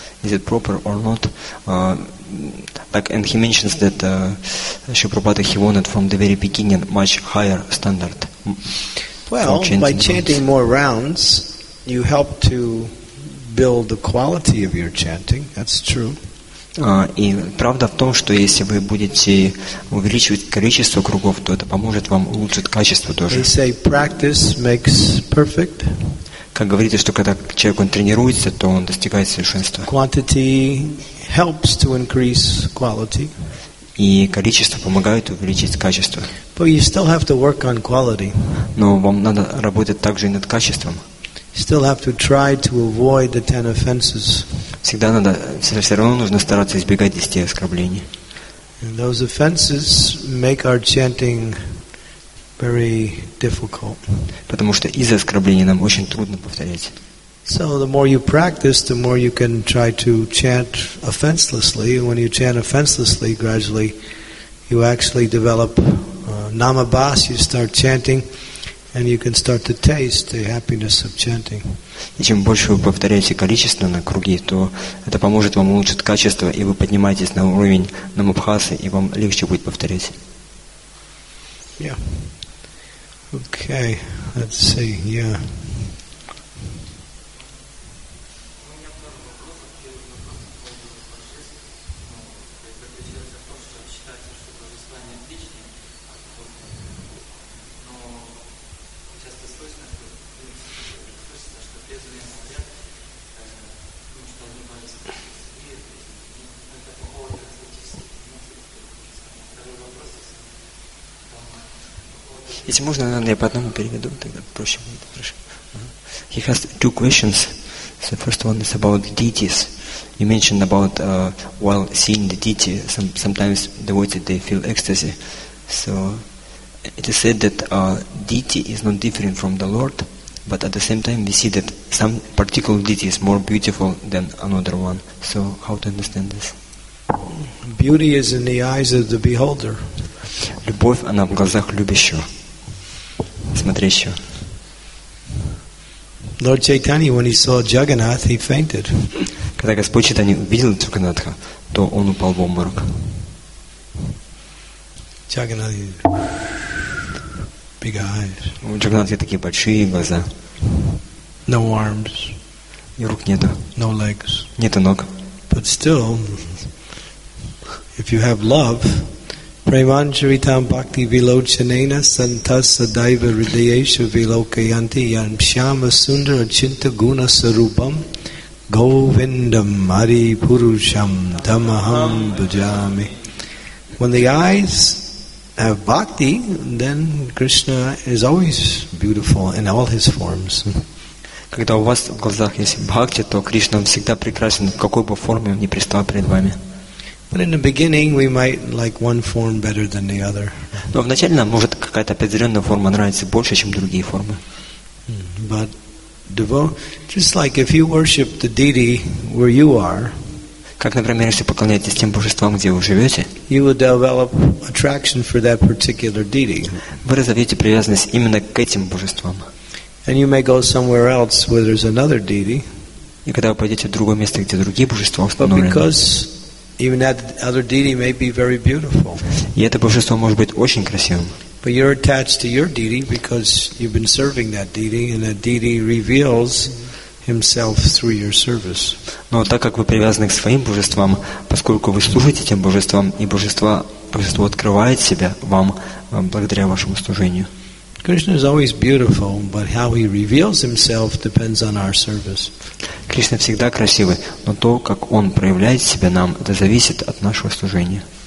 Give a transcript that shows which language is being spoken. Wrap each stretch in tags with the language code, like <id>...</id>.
<en>Is it proper or not? And he mentions that Śrīla Prabhupāda, he wanted from the very beginning much higher standard. Well, by chanting more rounds, you help to build the quality of your chanting, that's true.</en> <ru>И правда в том, что если вы будете увеличивать количество кругов, то это поможет вам улучшить качество тоже.</ru> <en>They say practice makes perfect.</en> <ru>Как говорится, что когда человек он тренируется, то он достигает совершенства.</ru> <en>Quantity helps to increase quality.</en> <ru>И количество помогает увеличить качество.</ru> <en>But you still have to work on quality.</en> <ru>Но вам надо работать также и над качеством.</ru> <en>Still have to try to avoid the 10 offenses.</en> <ru>Всегда надо, все равно нужно стараться избегать 10 оскорблений.</ru> <en>And those offenses make our chanting very difficult.</en> <ru>Потому что из-за оскорблений нам очень трудно повторять.</ru> <en>So the more you practice, the more you can try to chant offenselessly. When you chant offenselessly, gradually you actually develop Namabas, you start chanting, and you can start to taste the happiness of chanting.</en> <ru>И чем больше вы повторяете количество на круги, то это поможет вам улучшить качество, и вы поднимаетесь на уровень намабхасы, и вам легче будет повторять.</ru> <en>Yeah. Okay. Let's see. Yeah.</en> <ru>Если можно, наверное, я по одному переведу, тогда проще будет.</ru> <en>He has two questions. The first one is about deities. You mentioned about while seeing the deity, sometimes devotees, they feel ecstasy. So it is said that deity is not different from the Lord, but at the same time we see that some particular deity is more beautiful than another one. So how to understand this? Beauty is in the eyes of the beholder.</en> <ru>Любовь, она в глазах любящего.</ru> <en>Lord Chaitanya, when he saw Jagannath, he fainted.</en> <ru>Когда Господь Чайтанья увидел Джаганнатха, то он упал в обморок.</ru> <en>Jagannath, big eyes.</en> <ru>У Джаганнатха такие большие глаза.</ru> <en>No arms.</en> <ru>И рук нету.</ru> <en>No legs.</en> <ru>Нету ног.</ru> <en>But still, if you have love.</en> <sa>Premanjaritam bhakti vilochanena santasa daiva ridayesha vilokayanti yam shyama sundara chinta guna sarupam govindam hari purusham tamaham bhajami.</sa> <en>When the eyes have bhakti, then Krishna is always beautiful in all his forms.</en> <ru>Когда у вас в глазах есть бхакти, то Кришна всегда прекрасен, в какой бы форме он ни пристал перед вами.</ru> <en>But in the beginning, we might like one form better than the other.</en> <ru>Но вначале нам может какая-то определенная форма нравиться больше, чем другие формы.</ru> <en>But just like if you worship the deity where you are,</en> <ru>как, например, если поклоняетесь тем божествам, где вы живете,</ru> <en>you will develop attraction for that particular deity.</en> <ru>Вы разовьете привязанность именно к этим божествам.</ru> <en>And you may go somewhere else where there's another deity.</en> <ru>И когда вы пойдете в другое место, где другие божества установлены.</ru> <en>Even that other deity may be very beautiful.</en> <ru>И это божество может быть очень красивым.</ru> <en>But you're attached to your deity because you've been serving that deity, and that deity reveals himself through your service.</en> <ru>Но так как вы привязаны к своим божествам, поскольку вы служите тем божествам, и божество открывает себя вам благодаря вашему служению.</ru> <en>Krishna is always beautiful, but how he reveals himself depends on our service.</en> <ru>Кришна всегда красивый, но то, как он проявляет себя нам, это зависит от нашего служения.</ru>